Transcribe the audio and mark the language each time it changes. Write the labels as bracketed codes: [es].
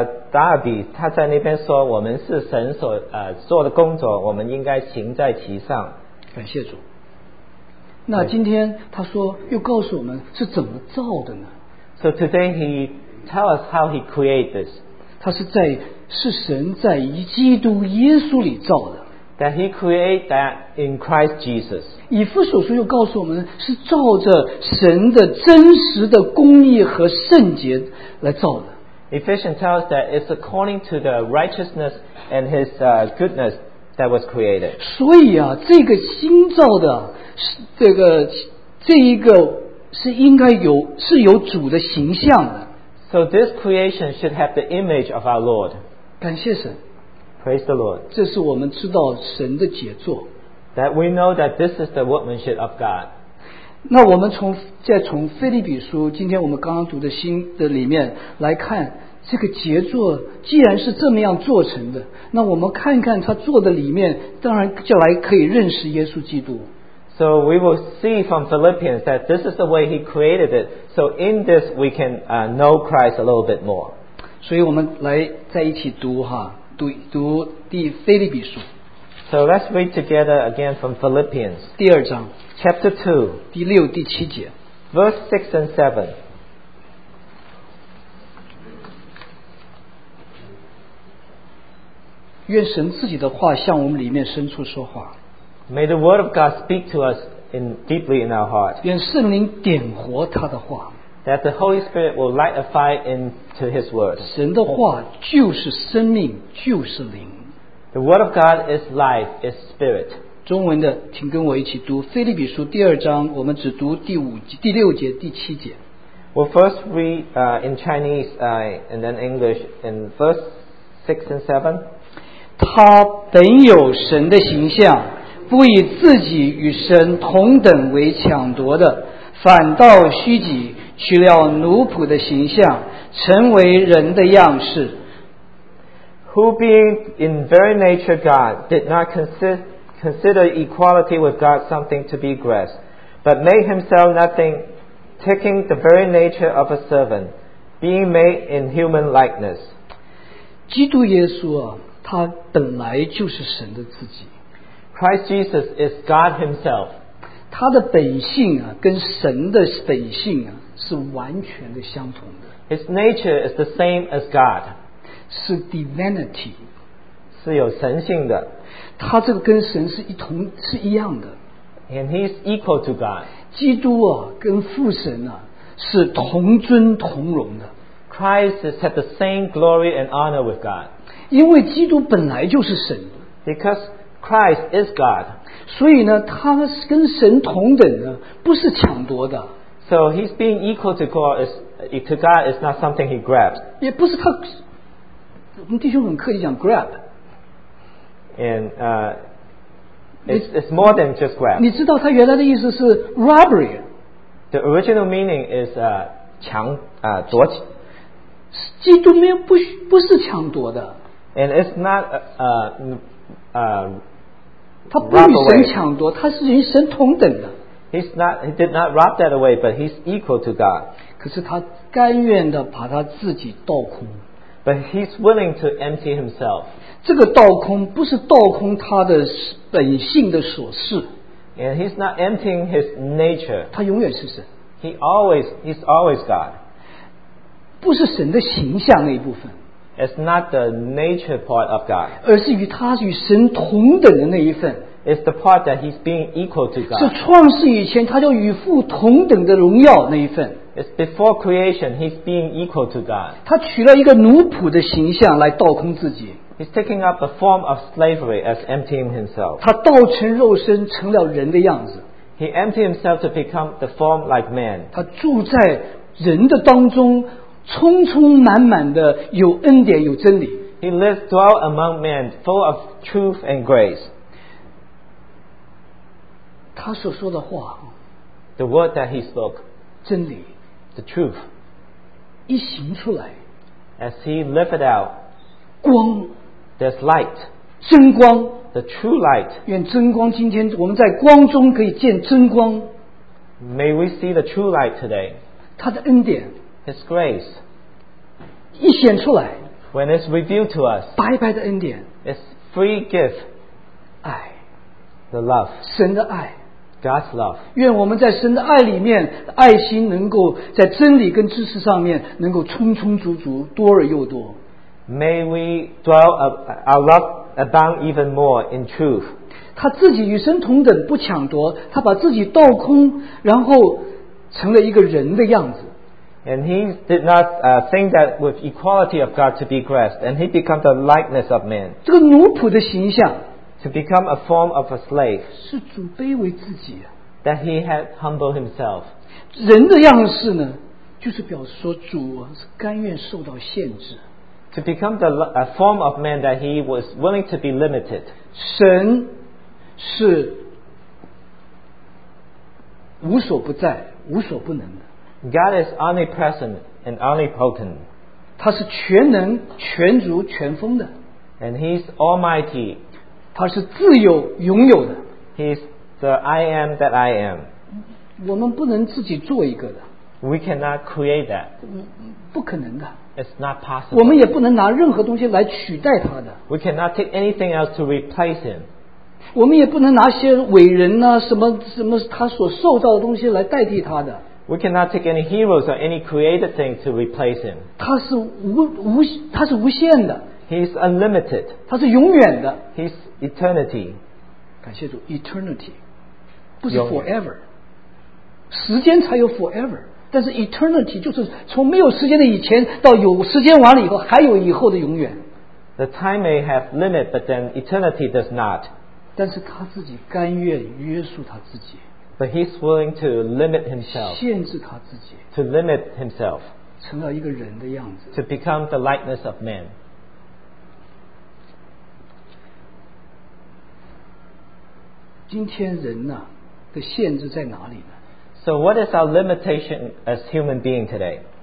[zh] 达尔比他在那边说我们是神所做的工作我们应该行在其上感谢主那今天他说又告诉我们是怎么造的呢 [en] So today he tells us how he created this [zh] 是神在基督耶稣里造的。 [en] That he created that in Christ Jesus. [zh] 以弗所书又告诉我们是照着神的真实的公义和圣洁来造的。 [en] Ephesians tells us that it's according to the righteousness and his goodness that was created. [zh] 所以啊，这个新造的，这一个是应该有，是有主的形象的。 [en] So this creation should have the image of our Lord. [zh] 感谢神。 [en] Praise the Lord. [zh] 这是我们知道神的杰作。 [en] That we know that this is the workmanship of God. [zh] 那我们从腓立比书，今天我们刚刚读的新的里面来看，这个杰作既然是这么样做成的，那我们看看他做的里面，当然就来可以认识耶稣基督。 [en] So we will see from Philippians that this is the way he created it. So in this we can know Christ a little bit more. [zh] 所以我们来在一起读哈，读第腓立比书。 [en] So let's read together again from Philippians. [zh] 第二章。 [en] Chapter 2. [zh] 第六、第七节。 [en] Verse 6 and 7. [zh] 愿神自己的话向我们里面深处说话。 [en] May the word of God speak to us deeply in our heart. [zh] 愿圣灵点活他的话。 [en] That the Holy Spirit will light a fire into his word. [zh] 神的话就是生命，就是灵。 [en] The word of God is life, is spirit. [zh] 中文的，请跟我一起读《腓立比书》第二章，我们只读第六节、第七节。 [en] We'll first read in Chinese and then English in verse 6 and 7. [zh] 他本有神的形象。不以自己与神同等为抢夺的，反倒虚己，取了奴仆的形象，成为人的样式。 [en] Who being in very nature God, did not consider equality with God something to be grasped, but made himself nothing, taking the very nature of a servant, being made in human likeness. [zh] 基督耶稣啊，他本来就是神的自己。 [en] Christ Jesus is God himself. [zh] 他的本性啊，跟神的本性啊，是完全的相同的。 [en] His nature is the same as God. [zh] 是 divinity. 是有神性的。他这个跟神是一同，是一样的。 [en] And he is equal to God. [zh] 基督啊，跟父神啊，是同尊同荣的。 [en] Christ has had the same glory and honor with God. [zh] 因为基督本来就是神。 [en] Because Christ is God. [zh] 所以呢，他跟神同等呢，不是抢夺的。 [en] So he's being equal to God is not something he grabs. [zh] 也不是他，我们弟兄很刻意讲 grab。 [en] And it's more than just grab. [zh] 你知道他原来的意思是 robbery。 [en] The original meaning is [zh] 抢啊夺取。基督没有不是抢夺的。 [en] And it's not [zh] 他不与神抢夺，他是与神同等的。 [en] He did not rob that away, but he's equal to God. [zh] 可是他甘愿地把他自己倒空。 [en] But he's willing to empty himself. [zh] 这个倒空不是倒空他的本性的所事。 [en] And he's not emptying his nature. [zh] 他永远是神。 [en] He's always God. [zh] 不是神的形象那一部分。 [en] It's not the nature part of God. [zh] 而是与他与神同等的那一份。 [en] It's the part that he's being equal to God. [zh] 是创世以前他叫与父同等的荣耀那一份。 [en] It's before creation, he's being equal to God. [zh] 他取了一个奴仆的形象来倒空自己。 [en] He's taking up the form of slavery as emptying himself. [zh] 他道成肉身成了人的样子。 [en] He emptied himself to become the form like man. [zh] 他住在人的当中，充充满满的有恩典有真理。 [en] He lives dwell among men, full of truth and grace. [zh] 他所说的话 [en] The word that he spoke [zh] 真理 [en] The truth [zh] 一行出来 [en] As he lived it out [zh] 光 [en] There's light [zh] 真光 [en] The true light [zh] 愿真光今天我们在光中可以见真光 [en] May we see the true light today [zh] 他的恩典 [en] His grace [zh] 一显出来 [en] When it's revealed to us [zh] 白白的恩典 [en] It's free gift [zh] 爱 [en] The love. [zh] 神的爱 [en] God's love. [zh] 愿我们在神的爱里面，爱心能够在真理跟知识上面能够充充足足，多而又多。 [en] May we dwell our love abound even more in truth. [zh] 他自己与神同等，不抢夺，他把自己倒空，然后成了一个人的样子。 [en] And he did not think that with equality of God to be grasped, and he became the likeness of man. [zh] 这个奴仆的形象。 [en] To become a form of a slave. [zh] 是主卑微自己、啊、 [en] That he had humbled himself. [zh] 人的样式呢，就是表示说主是甘愿受到限制。 [en] To become a form of man that he was willing to be limited. [zh] 神是无所不在，无所不能的。 [en] God is omnipresent and omnipotent. [zh] 他是全能、全足、全丰的。 [en] And he's almighty. [zh] 他是自由拥有的。 [en] He's the I am that I am. [zh] 我们不能自己做一个的。 [en] We cannot create that. [zh] 不可能的。 [en] It's not possible. [zh] 我们也不能拿任何东西来取代他的。 [en] We cannot take anything else to replace him. [zh] 我们也不能拿些伟人啊，什么什么他所受到的东西来代替他的。 [en] We cannot take any heroes or any created thing to replace him. [zh] 他是无限的。 [en] He's unlimited. [zh] 他是永远的。 [en] He's eternity. [zh] 感谢主 ，eternity 不是 forever， 时间才有 forever， 但是 eternity 就是从没有时间的以前到有时间完了以后还有以后的永远。 [en] The time may have limit, but then eternity does not. [zh] 但是他自己甘愿约束他自己。 [en] But he's willing to limit himself. [zh] 限制他自己。 [en] To limit himself. [zh] 成了一个人的样子。 [en] To become the likeness of man. [zh] 今天人呢的限制在哪里呢 [en] So what is our limitation as human being today?